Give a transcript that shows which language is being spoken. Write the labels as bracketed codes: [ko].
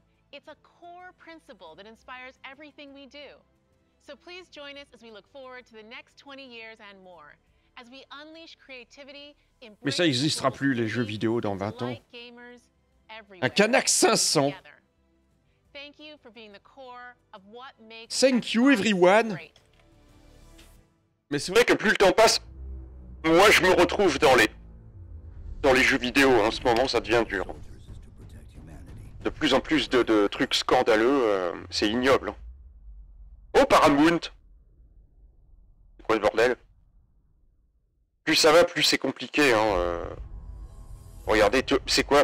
[en] It's a core principle that inspires everything we do. So please join us as we look forward to the next 20 years and more as we unleash creativity in. [fr] Mais ça n'existera plus les jeux vidéo dans 20 ans. Un Kanak 500. [en] Thank you for being the core of what makes. Thank you everyone. [fr] Mais c'est vrai que plus le temps passe, moi je me retrouve dans les jeux vidéo en ce moment, ça devient dur. De plus en plus de trucs scandaleux, c'est ignoble. Oh, Paramount! C'est quoi le bordel? Plus ça va, plus c'est compliqué, hein. Regardez, c'est quoi?